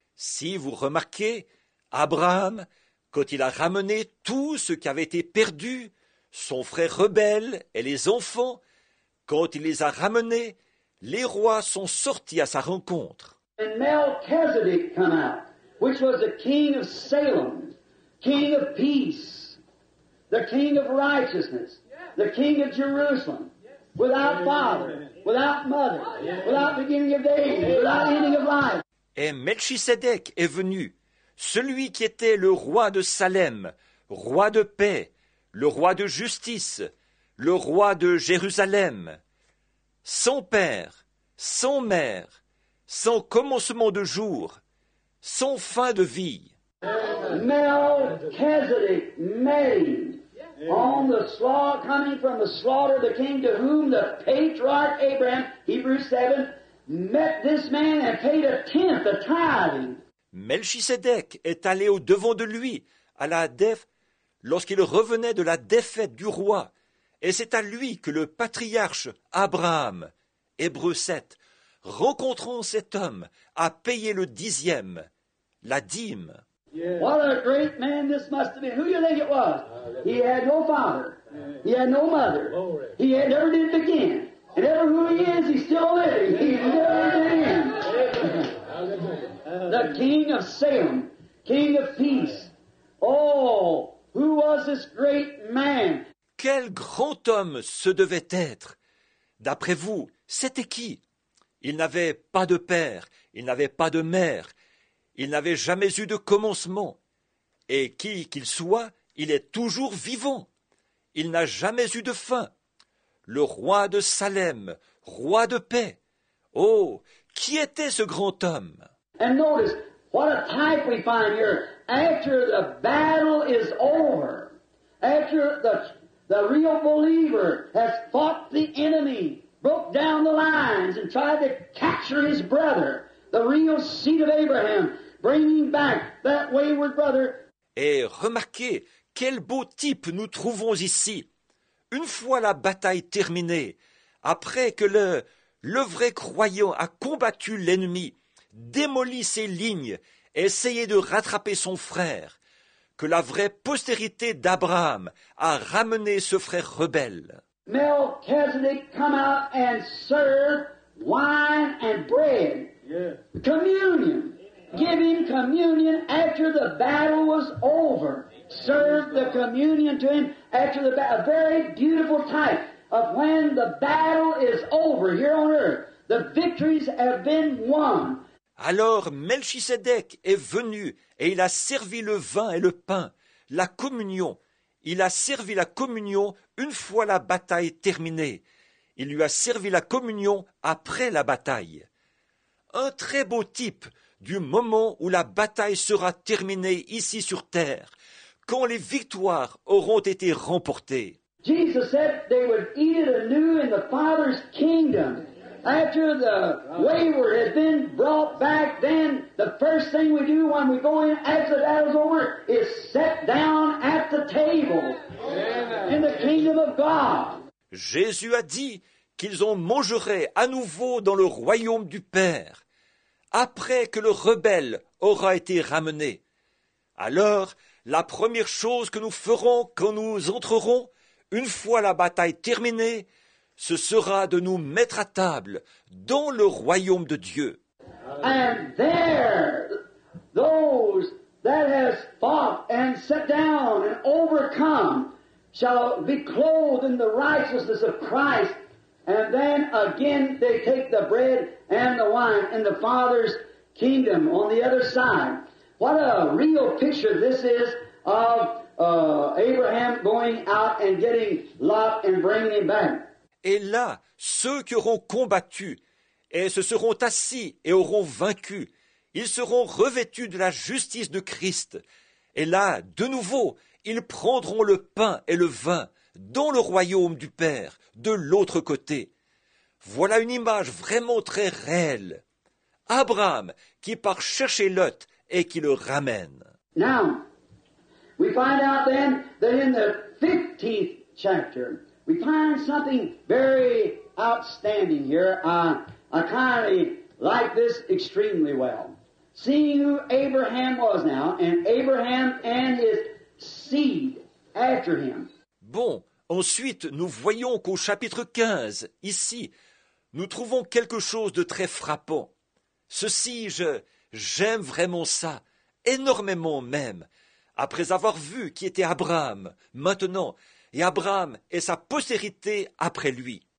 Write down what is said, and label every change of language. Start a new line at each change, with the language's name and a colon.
French: Si vous remarquez, Abraham, quand il a ramené tout ce qui avait été perdu, son frère rebelle et les enfants, quand il les a ramenés, les rois sont sortis à sa rencontre.
English: And Melchizedek come out, which was the king of Salem, king of peace, the king of righteousness, the king of Jerusalem, without father, without mother, without beginning of days, without ending of life.
French: Et Melchisédek est venu, celui qui était le roi de Salem, roi de paix, le roi de justice, le roi de Jérusalem, sans père, sans mère, sans commencement de jour, sans fin de vie.
English: Melchizedek made on the slaughter coming from the slaughter of the king to whom the patriarch Abraham, Hebrews 7, met this man and paid a tenth, a tithe.
French: Melchisédek est allé au devant de lui à la lorsqu'il revenait de la défaite du roi, et c'est à lui que le patriarche Abraham, Hébreux 7, rencontrant cet homme, a payé le dixième, la dîme.
English: What a great man this must have been. Who do you think it was? He had no father. He had no mother. He had never did it again. And ever who he is, he's still living. He's never been. The king of Salem, king of peace. Oh, who was this great man?
French: Quel grand homme ce devait être. D'après vous, c'était qui? Il n'avait pas de père, il n'avait pas de mère, il n'avait jamais eu de commencement. Et qui qu'il soit, il est toujours vivant. Il n'a jamais eu de fin. Le roi de Salem, roi de paix. Oh, qui était ce grand homme?
English: And notice what a type we find here. After the battle is over, after the real believer has fought the enemy, broke down the lines and tried to capture his brother, the real seed of Abraham, bringing back that wayward brother.
French: Et remarquez quel beau type nous trouvons ici. Une fois la bataille terminée, après que le vrai croyant a combattu l'ennemi, démoli ses lignes, essayé de rattraper son frère, que la vraie postérité d'Abraham a ramené ce frère rebelle.
English: Melchizedek come out and serve wine and bread. Yes. Communion. Giving communion after the battle was over. Serve the communion to him after the battle. A very beautiful type of when the battle is over here on earth. The victories have been won.
French: Alors Melchisédek est venu et il a servi le vin et le pain, la communion. Il a servi la communion une fois la bataille terminée. Il lui a servi la communion après la bataille. Un très beau type du moment où la bataille sera terminée ici sur terre, quand les victoires auront été remportées.
English: Jesus said they would eat it anew in the Father's kingdom. After the wayward has been brought back, then the first thing we do when we go in after the battle's over is sit down at the table in the kingdom of God.
French: Jésus a dit qu'ils en mangeraient à nouveau dans le royaume du Père après que le rebelle aura été ramené. Alors, la première chose que nous ferons quand nous entrerons, une fois la bataille terminée, ce sera de nous mettre à table dans le royaume de Dieu.
English: And there, those that have fought and sat down and overcome shall be clothed in the righteousness of Christ. And then again they take the bread and the wine in the Father's kingdom on the other side. What a real picture this is of Abraham going out and getting Lot and bringing him back.
French: Et là, ceux qui auront combattu et se seront assis et auront vaincu, ils seront revêtus de la justice de Christ. Et là, de nouveau, ils prendront le pain et le vin dans le royaume du Père, de l'autre côté. Voilà une image vraiment très réelle. Abraham qui part chercher Lot et qui le ramène.
English: Now, we find out then that in the 15th chapter, We find something very outstanding here. I kind of like this extremely well. Seeing who Abraham was now, and Abraham and his seed after him.
French: Bon, ensuite, nous voyons qu'au chapitre 15, ici, nous trouvons quelque chose de très frappant. Ceci, j'aime vraiment ça, énormément même. Après avoir vu qui était Abraham, maintenant, et Abraham et sa postérité après lui.